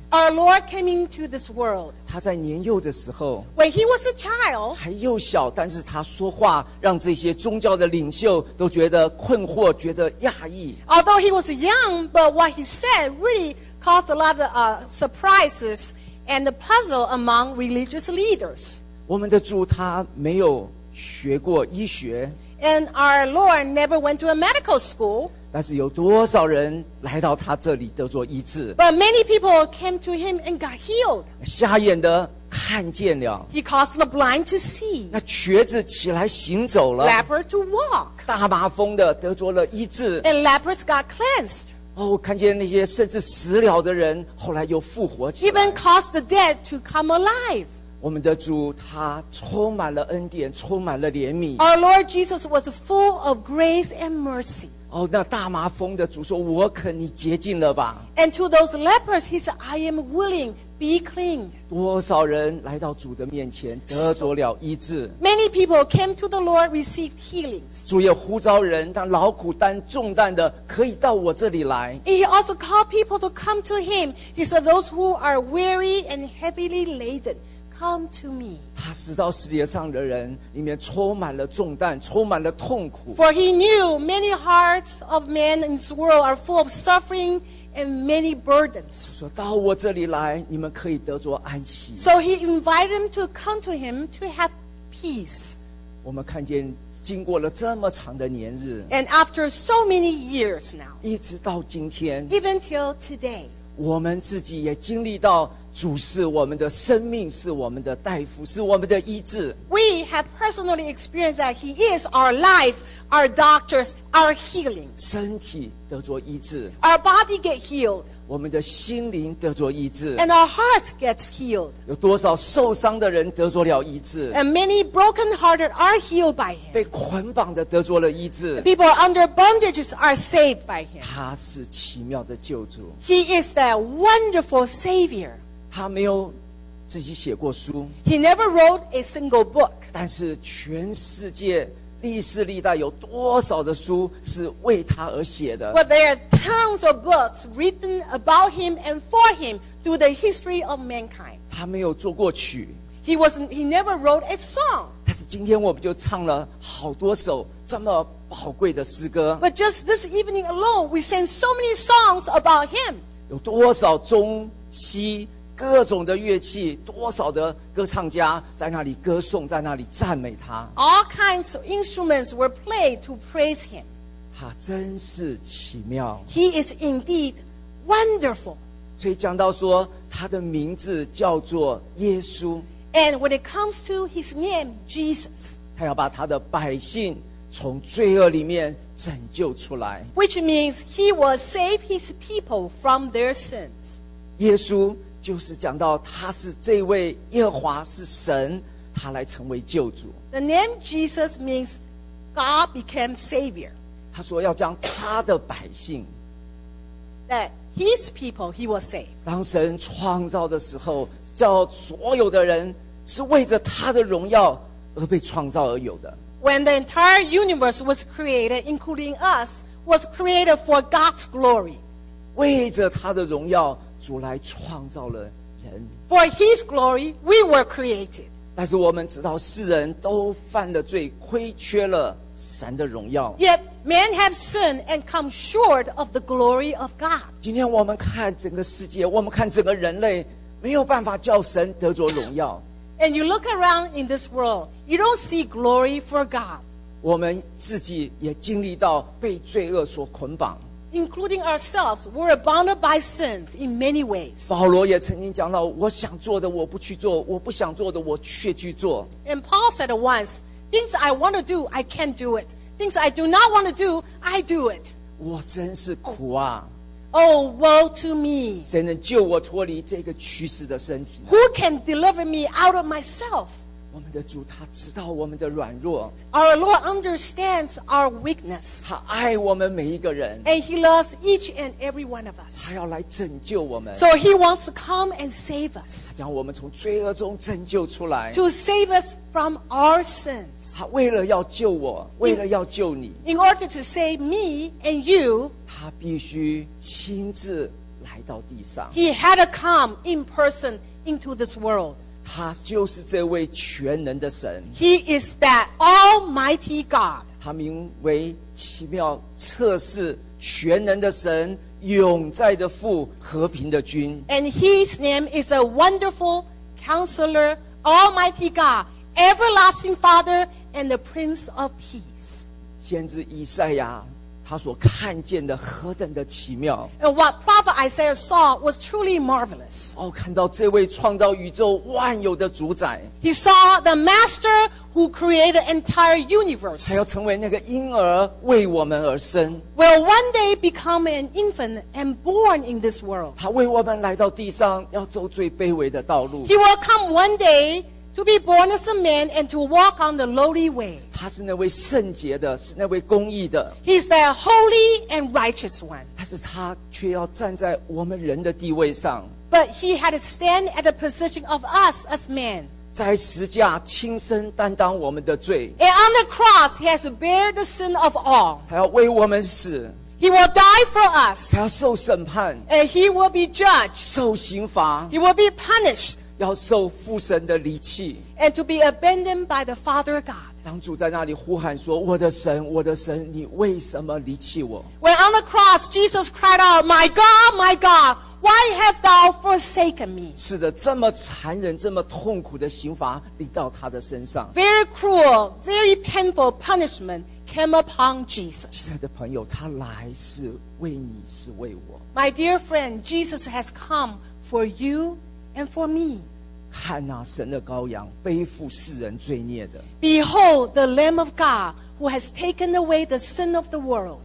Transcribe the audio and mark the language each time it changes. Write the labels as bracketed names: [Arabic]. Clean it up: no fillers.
[English] Our Lord came into this world [Chinese] 他在年幼的时候 [English] When he was a child [Chinese] 还幼小但是他说话让这些宗教的领袖都觉得困惑觉得讶异 [English] Although he was young but what he said really caused a lot of surprises and a puzzle among religious leaders [Chinese] 我们的主他没有学过医学 [English] And our Lord never went to a medical school [Chinese] 但是有多少人来到他这里得做医治？ [English] But many people came to him and got healed. [Chinese] 瞎眼的看见了。 [English] He caused the blind to see. [Chinese] 那瘸子起来行走了。 [English] Leper to walk. [Chinese] 大麻风的得做了医治。 [English] And lepers got cleansed. [Chinese] 哦，看见那些甚至死了的人后来又复活起来。 [English] Even caused the dead to come alive. [Chinese] 我们的主他充满了恩典，充满了怜悯。 [English] Our Lord Jesus was full of grace and mercy. [Chinese] 哦，那大麻风的主说：“我肯，你洁净了吧。” [English] And to those lepers, he said, "I am willing, be cleaned." [Chinese] 多少人来到主的面前得着了医治 [English] ？Many people came to the Lord, received healings. [Chinese] 主也呼召人，当劳苦担重担的可以到我这里来。 [English] And he also called people to come to him. He said, "Those who are weary and heavily laden." Come to me. [Chinese] 他死到十字架上的人里面充满了重担，充满了痛苦。 [English] For he knew many hearts of men in this world are full of suffering and many burdens. [Chinese] 说到我这里来，你们可以得着安息。 [English] So he invited them to come to him to have peace. [Chinese] 我们看见经过了这么长的年日 [English] ，and after so many years now， [Chinese] 一直到今天 [English] ，even till today。 [Chinese] 我们自己也经历到主是我们的生命，是我们的大夫，是我们的医治。 [English] We have personally experienced that He is our life, our doctors, our healing. [Chinese] 身体得着医治。 [English] Our body get healed. [Chinese] 我们的心灵得着医治。 [English] And our hearts get healed. [Chinese] 有多少受伤的人得着了医治 [English] ？And many broken hearted are healed by Him. [Chinese] 被捆绑的得着了医治。 [English] People under bondages are saved by Him. [Chinese] 他是奇妙的救主。 [English] He is the wonderful Savior. [Chinese] 他没有自己写过书 [English] He never wrote a single book [Chinese] 但是全世界历史历代有多少的书是为他而写的 [English] But there are tons of books written about him and for him through the history of mankind [Chinese] 他没有作过曲 [English] He never wrote a song [Chinese] 但是今天我们就唱了好多首这么宝贵的诗歌 [English] But just this evening alone we sang so many songs about him [Chinese] 有多少中西各种的乐器多少的歌唱家在那里歌颂在那里赞美他 [English] All kinds of instruments were played to praise him [Chinese] 他真是奇妙 [English] He is indeed wonderful [Chinese] 所以讲到说他的名字叫做耶稣 [English] And when it comes to his name, Jesus [Chinese] 他要把他的百姓从罪恶里面拯救出来 [English] Which means he will save his people from their sins [Chinese] 耶稣就是讲到他是这位耶和华是神他来成为救主 [English] The name Jesus means God became Savior [Chinese] 他说要将他的百姓 [English] That his people he will save [Chinese] 当神创造的时候叫所有的人是为着他的荣耀而被创造而有的 [English] When the entire universe was created including us was created for God's glory [Chinese] 为着他的荣耀主来创造了人 [English] For his glory we were created [Chinese] 但是我们知道世人都犯了罪亏缺了神的荣耀 [English] Yet men have sinned and come short of the glory of God [Chinese] 今天我们看整个世界我们看整个人类没有办法叫神得着荣耀 [English] And you look around in this world you don't see glory for God [Chinese] 我们自己也经历到被罪恶所捆绑 [English] including ourselves we're bound by sins in many ways [Chinese] 保罗也曾经讲到我想做的我不去做我不想做的我却去做 [English] and Paul said once things I want to do I can't do it things I do not want to do I do it [Chinese] 我真是苦啊 [English] oh woe to me [Chinese] 谁能救我脱离这个屈死的身体 [English] who can deliver me out of myself [Chinese] 我们的主他知道我们的软弱 [English] Our Lord understands our weakness [Chinese] 他爱我们每一个人 [English] And he loves each and every one of us [Chinese] 他要来拯救我们 [English] So he wants to come and save us [Chinese] 他将我们从罪恶中拯救出来 [English] To save us from our sins [Chinese] 他为了要救我为了要救你 [English] In order to save me and you [Chinese] 他必须亲自来到地上 [English] He had to come in person into this world [Chinese] 他就是这位全能的神 [English] He is that almighty God [Chinese] 他名为奇妙测试全能的神永在的父和平的君 [English] And his name is a wonderful counselor almighty God everlasting father and the prince of peace [Chinese] 先知以赛亚他所看见的何等的奇妙。 [English] And what Prophet Isaiah saw was truly marvelous. [Chinese] 哦，看到这位创造宇宙万有的主宰。 [English] He saw the master who created the entire universe. [Chinese] 他要成为那个婴儿为我们而生。 [English] Will one day become an infant and born in this world. [Chinese] 他为我们来到地上，要走最卑微的道路。 [English] He will come one day. To be born as a man and to walk on the lowly way. [Chinese] 他是那位圣洁的，是那位公义的。 [English] He's the holy and righteous one. [Chinese] 但是他却要站在我们人的地位上。 [English] But he had to stand at the position of us as men. [Chinese] 在十字架亲身担当我们的罪。 [English] And on the cross, he has to bear the sin of all. [Chinese] 他要为我们死。 [English] He will die for us. [Chinese] 他要受审判。 [English] And he will be judged. [Chinese] 受刑罚。 [English] He will be punished. [Chinese] 要受父神的离弃 [English] and to be abandoned by the Father God. [Chinese] 当主在那里呼喊说，我的神，我的神，你为什么离弃我？ [English] When on the cross, Jesus cried out, My God, my God, why have thou forsaken me? [Chinese] 是的，这么残忍，这么痛苦的刑罚临到他的身上。 [English] Very cruel, very painful punishment came upon Jesus. [Chinese] 亲爱的朋友，他来是为你，是为我。 [English] My dear friend, Jesus has come for you. And for me, [Chinese] 看啊，神的羔羊，背负世人罪孽的。 [English] Behold the Lamb of God who has taken away the sin of the world.